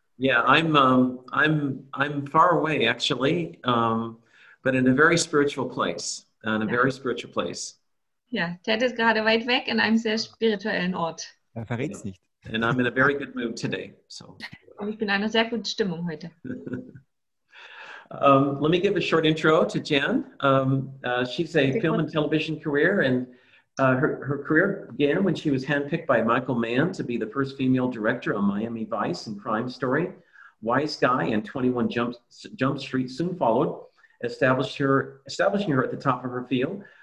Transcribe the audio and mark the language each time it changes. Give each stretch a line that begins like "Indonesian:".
English: Yeah, I'm far away, actually, but in a very spiritual place. In a very spiritual place.
German: Ja, Ted ist gerade weit weg in einem sehr spirituellen Ort. Er verrät es nicht.
English: And I'm in a very good mood today. So.
German: Und ich bin in einer sehr guten Stimmung heute.
English: Let me give a short intro to Jan. She's a film and television career, and her career began when she was handpicked by Michael Mann to be the first female director on Miami Vice and Crime Story. Wise Guy and 21 Jump Street soon followed, establishing her at the top of her field.